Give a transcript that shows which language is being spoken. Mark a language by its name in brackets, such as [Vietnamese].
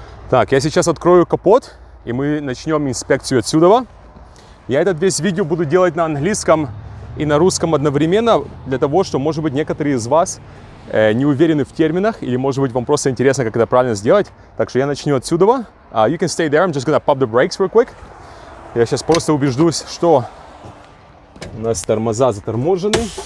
[Russian] Так, я сейчас открою капот, и мы начнем инспекцию отсюда. Я этот весь видео буду делать на английском и на русском одновременно, для того, что, может быть, некоторые из вас не уверены в терминах, или, может быть, вам просто интересно, как это правильно сделать. Так что я начну отсюда. [English] You can stay there, I'm just gonna pop the brakes real quick. [Russian] Я сейчас просто убеждусь, что у нас тормоза заторможены.